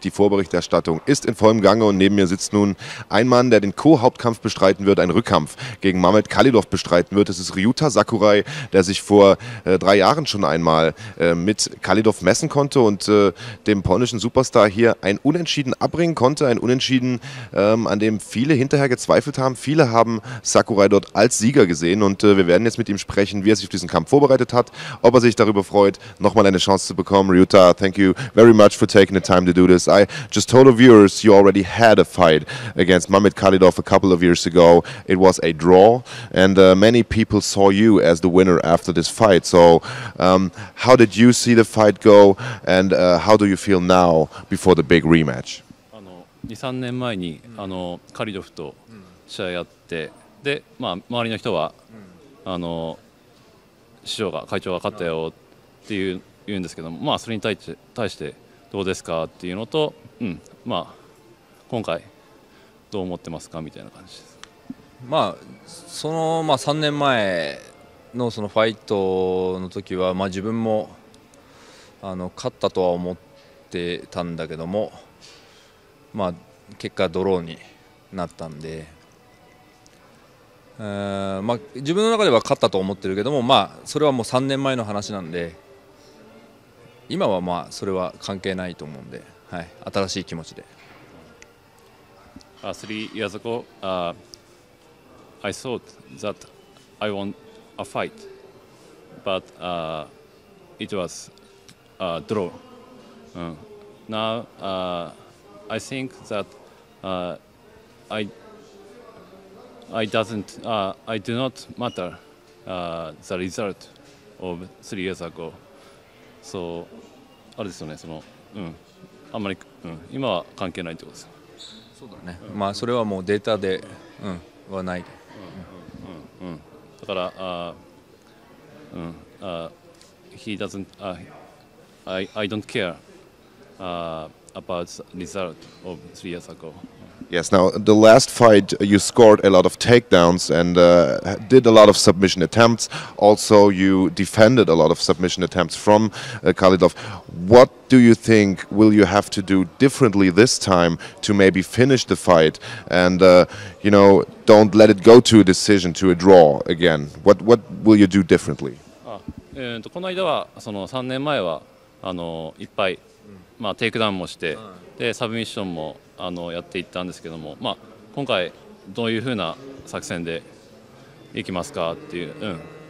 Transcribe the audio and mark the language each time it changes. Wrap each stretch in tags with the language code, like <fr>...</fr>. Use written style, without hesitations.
<de>Die Vorberichterstattung ist in vollem Gange und neben mir sitzt nun ein Mann, der den Co-Hauptkampf bestreiten wird, einen Rückkampf gegen Mamed Khalilov bestreiten wird. Das ist Ryuta Sakurai, der sich vor 3 Jahren schon einmal mit Khalilov messen konnte und dem polnischen Superstar hier ein Unentschieden abbringen konnte. Ein Unentschieden, an dem viele hinterher gezweifelt haben. Viele haben Sakurai dort als Sieger gesehen und wir werden jetzt mit ihm sprechen, wie er sich auf diesen Kampf vorbereitet hat, ob er sich darüber freut, nochmal eine Chance zu bekommen.</de> <en>Ryuta, thank you very much for taking the time to do this. I just told the viewers you already had a fight against Mamed Khalilov a couple of years ago. It was a draw and many people saw you as the winner after this fight. So how did you see the fight go and how do you feel now before the big rematch?</en> <ja>2-3 年前にカリドフと試合やってで、まあ、周りの人は師匠が会長が勝ったよっていう言うんですけども、まあそれに対してどうですかっていうのと、うん、まあ今回どう思ってますかみたいな感じです。まあそのまあ3年前のそのファイトの時は、まあ自分も勝ったとは思ってたんだけども、まあ結果ドローになったんで、まあ自分の中では勝ったと思ってるけども、まあそれはもう3年前の話なんで。今はまあそれは関係ないと思うんで、はい、新しい気持ちで。</ja> <en>3 years ago, I thought that I won a fight, but it was a draw. Now I think that I do not matter the result of 3 years ago.</en> <ja>So, あれですよね、その、うん、あんまり、うん、今は関係ないってことですよ。そうだね、うん、まあそれはもうデータで、うん、はない。うん、うん、だから、</ja> <en>he doesn't, I don't care, about the result of 3 years ago. Yes, now the last fight you scored a lot of takedowns and did a lot of submission attempts. Also, you defended a lot of submission attempts from Khalilov. What do you think will you have to do differently this time to maybe finish the fight and, you know, don't let it go to a decision, to a draw again? What will you do differently?</en> <ja>この間は、その3年前は、いっぱい、まあ、テイクダウンもして、で、サブミッションも、やっていったんですけども、まあ、今回どういうふうな作戦でいきますかっていう、うん、</ja>